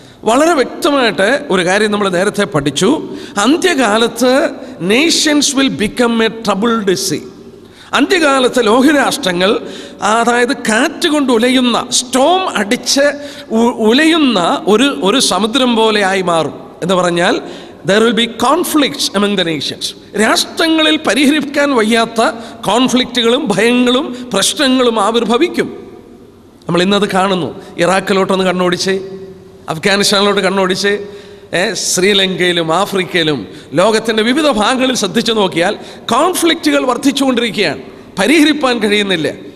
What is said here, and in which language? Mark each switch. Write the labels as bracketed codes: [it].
[ml] വളരെ വ്യക്തമായിട്ട് ഒരു കാര്യം നമ്മൾ നേരത്തെ പഠിച്ചു, അന്ത്യകാലത്ത് [en] Nations will become a troubled sea. [ml] അന്ത്യകാലത്ത് ലോകരാഷ്ട്രങ്ങൾ, അതായത് കാറ്റ് കൊണ്ട് ഉലയുന്ന, സ്റ്റോം അടിച്ച് ഉലയുന്ന ഒരു സമുദ്രം പോലെയായി മാറും. എന്ന് പറഞ്ഞാൽ [en] there will be conflicts among the nations. [ml] രാഷ്ട്രങ്ങളിൽ പരിഹരിക്കാൻ വയ്യാത്ത കോൺഫ്ലിക്റ്റുകളും ഭയങ്ങളും പ്രശ്നങ്ങളും ആവിർഭവിക്കും. നമ്മൾ ഇന്നത് കാണുന്നു, ഇറാഖിലോട്ടൊന്ന് കണ്ണോടിച്ച്, അഫ്ഗാനിസ്ഥാനിലോട്ട് കണ്ണോടിച്ച്, ശ്രീലങ്കയിലും ആഫ്രിക്കയിലും ലോകത്തിൻ്റെ വിവിധ ഭാഗങ്ങളിൽ ശ്രദ്ധിച്ചു നോക്കിയാൽ കോൺഫ്ലിക്റ്റുകൾ വർദ്ധിച്ചുകൊണ്ടിരിക്കുകയാണ്, പരിഹരിപ്പാൻ കഴിയുന്നില്ല.